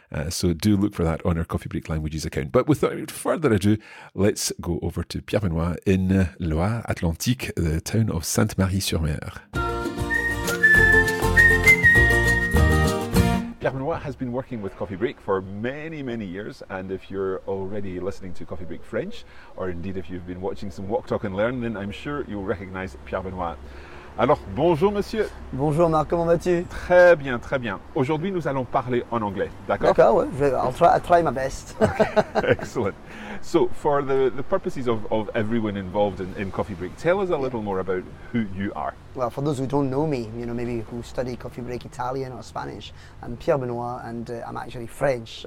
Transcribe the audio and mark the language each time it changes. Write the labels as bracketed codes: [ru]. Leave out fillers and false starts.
[en] So do look for that on our Coffee Break Languages account. But without further ado, let's go over to Pierre-Benoît in Loire-Atlantique, the town of Sainte-Marie-sur-Mer. Pierre-Benoît has been working with Coffee Break for many, many years, and if you're already listening to Coffee Break French, or indeed if you've been watching some Walk, Talk and Learn, then I'm sure you'll recognize Pierre-Benoît. [fr] Alors, bonjour monsieur. Bonjour Marc, comment vas-tu? Très bien, très bien. Aujourd'hui, nous allons parler en anglais, d'accord? D'accord, ouais, [en] I'll try my best. Okay. Excellent. So, for the purposes of everyone involved in Coffee Break, tell us a little more about who you are. Well, for those who don't know me, you know, maybe who study Coffee Break Italian or Spanish, I'm Pierre-Benoît and I'm actually French.